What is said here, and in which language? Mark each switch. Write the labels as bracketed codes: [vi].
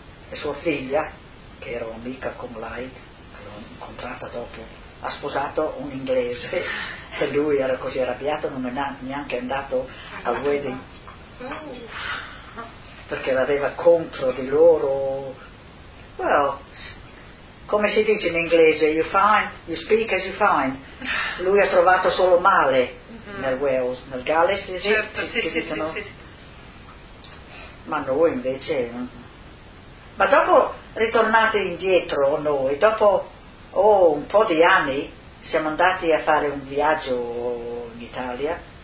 [it] E sua figlia, che era un'amica con lei, che l'ho incontrata dopo, ha sposato un inglese e lui era così arrabbiato, non è neanche andato al wedding perché l'aveva contro di loro. [en] Well, [it] come si dice in inglese, [en] you find, you speak as you find. [it] Lui ha trovato solo male nel Wales, nel Galles, certo, sì. Ma noi invece, ma dopo ritornate indietro noi, dopo un po' di anni siamo andati a fare un viaggio in Italia.